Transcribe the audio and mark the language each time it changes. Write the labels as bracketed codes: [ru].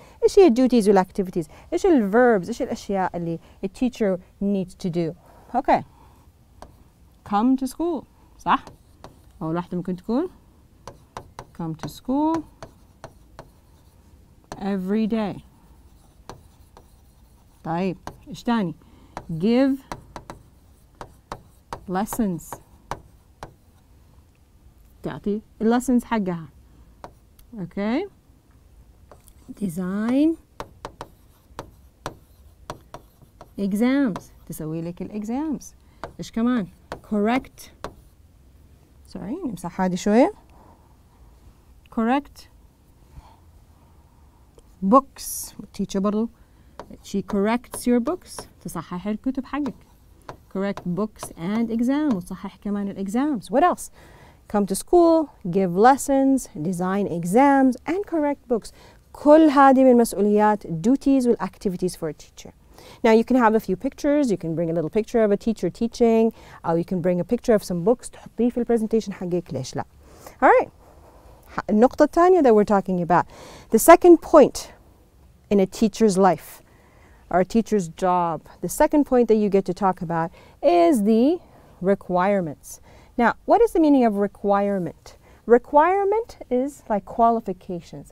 [ar] إيش هي [en] duties will activities؟ [ar] إيش الverbs؟ إيش الأشياء اللي [en] a teacher needs to do؟ Okay. Come to school. [ar] صح؟ أول واحدة ممكن تكون [en] come to school every day. [ar] طيب إيش تاني؟ [en] give lessons. [ar] تعطي lessons حقها. [en] Okay. design exams. [ar] تسوي لك الexams. إيش كمان؟ [en] correct. Sorry, [ar] نمسح هذه شوية. [en] Correct books. Teacher [ar] برضو. [en] She corrects your books. [ar] تصحح الكتب حقك. [en] Correct books and exams. [ar] وتصحح كمان الexams. [en] What else? Come to school, give lessons, design exams, and correct books. [ar] كل هذه من مسؤوليات [en] duties with activities for a teacher. Now you can have a few pictures. You can bring a little picture of a teacher teaching. You can bring a picture of some books. [ar] تحطيه في البرزنتيشن حقك ليش لا. [en] All right. [ar] النقطة الثانية [en] that we're talking about. The second point in a teacher's life or a teacher's job. The second point that you get to talk about is the requirements. Now, what is the meaning of requirement? Requirement is like qualifications.